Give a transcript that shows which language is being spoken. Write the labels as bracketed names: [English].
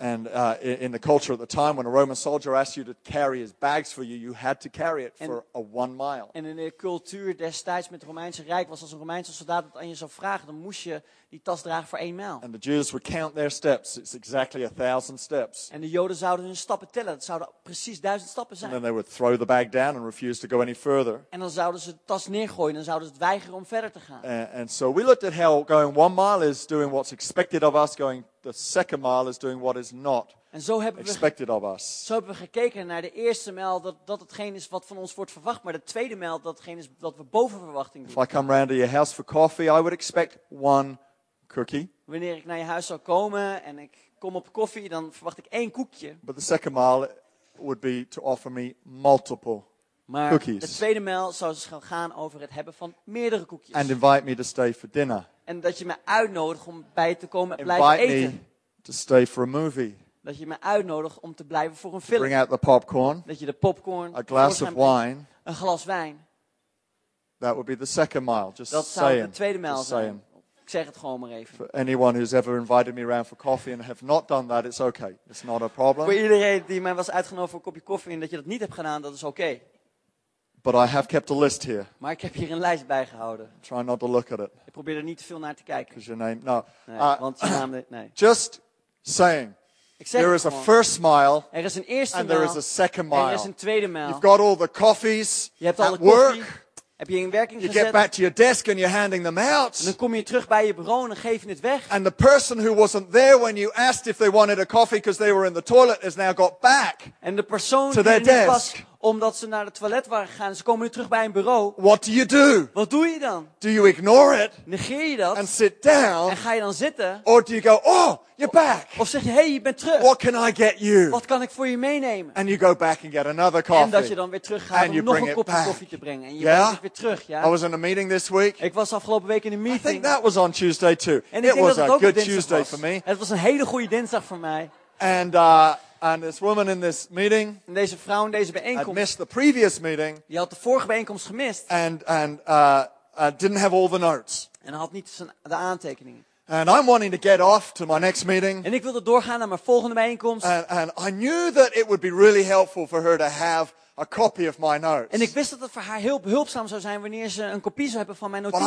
[English] And in the culture at the time, when a Roman soldier asked you to carry his bags for you, you had to carry it for a 1 mile. [Dutch] En in de cultuur destijds met het Romeinse Rijk was als een Romeinse soldaat dat aan je zou vragen, dan moest je die tas dragen voor 1 mijl. [English] And the Jews would count their steps. It's exactly 1,000 steps. [Dutch] En de Joden zouden hun stappen tellen. Het zouden precies 1,000 stappen zijn. [English] And then they would throw the bag down and refuse to go any further. [Dutch] En dan zouden ze de tas neergooien en zouden ze het weigeren om verder te gaan. [English] And so we looked at how going 1 mile is doing what's expected of us. Going the second mile is doing what is not expected of us. [Dutch] Zo hebben we gekeken naar de eerste mijl dat hetgeen is wat van ons wordt verwacht, maar de tweede mijl datgeen is wat we boven verwachting doen. [English] If I come round to your house for coffee, I would expect 1. Cookie. [Dutch] Wanneer ik naar je huis zou komen en ik kom op koffie, dan verwacht ik 1 koekje. [English] But the second mile would be to offer me multiple [Dutch] maar [English] cookies. [Dutch] De tweede mijl zou dus gaan over het hebben van meerdere koekjes. [English] And invite me to stay for dinner. [Dutch] En dat je me uitnodigt om bij je te komen en blijven eten. [English] Invite me to stay for a movie. [Dutch] Dat je me uitnodigt om te blijven voor een film. [English] Bring out the popcorn. [Dutch] Dat je de popcorn. [English] A glass of wine. [Dutch] Een glas wijn. [English] That would be the second mile. Just [Dutch] saying. Dat zou de tweede mijl zijn. Ik zeg het gewoon maar even. [English] For anyone who's ever invited me around for coffee and have not done that, it's okay. It's not a problem. [Dutch] Voor iedereen die mij was uitgenodigd voor een kopje koffie en dat je dat niet hebt gedaan, dat is oké. [English] Okay. But I have kept a list here. [Dutch] Maar ik heb hier een lijst bijgehouden. [English] Try not to look at it. [Dutch] Ik probeer er niet te veel naar te kijken. [English] Because your name, no. [Dutch] Nee, want je naam, nee. [English] Just saying. There is a first mile. [Dutch] Er is een eerste mijl. [English] And there is a second mile. [Dutch] Er is een tweede mijl. [English] You've got all the coffees. [Dutch] Je hebt al de koffie. Heb je in werking gezet. [English] You get back to your desk and you're handing them out. [Dutch] En dan kom je terug bij je bureau en geef je het weg. [English] And the person who wasn't there when you asked if they wanted a coffee because they were in the toilet has now got back. [Dutch] En de persoon die er niet was omdat ze naar de toilet waren gegaan, ze komen nu terug bij een bureau. [English] What do you do? [Dutch] Wat doe je dan? [English] Do you ignore it? [Dutch] Negeer je dat? [English] And sit down? [Dutch] En ga je dan zitten? [English] Or do you go, oh, you're back? [Dutch] Of zeg je, hey, je bent terug. [English] What can I get you? [Dutch] Wat kan ik voor je meenemen? [English] And you go back and get another coffee. [Dutch] En dat je dan weer terug gaat om nog een kopje koffie te brengen. En je brengt het weer terug, ja? [English] I was in a meeting this week. [Dutch] Ik was afgelopen week in een meeting. [English] I think that was on Tuesday too. [Dutch] En ik denk dat het ook een Tuesday was. [English] For me. [Dutch] Het was een hele goede dinsdag voor mij. [English] And this woman in this meeting. [Dutch] En deze vrouw in deze bijeenkomst. [English] Had missed the previous meeting. [Dutch] Je had de vorige bijeenkomst gemist. [English] And didn't have all the notes. [Dutch] En had niet de aantekeningen. [English] And I'm wanting to get off to my next meeting. [Dutch] En ik wilde doorgaan naar mijn volgende bijeenkomst. [English] And I knew that it would be really helpful for her to have a copy of my notes. [Dutch] En ik wist dat het voor haar heel behulpzaam zou zijn wanneer ze een kopie zou hebben van mijn notities.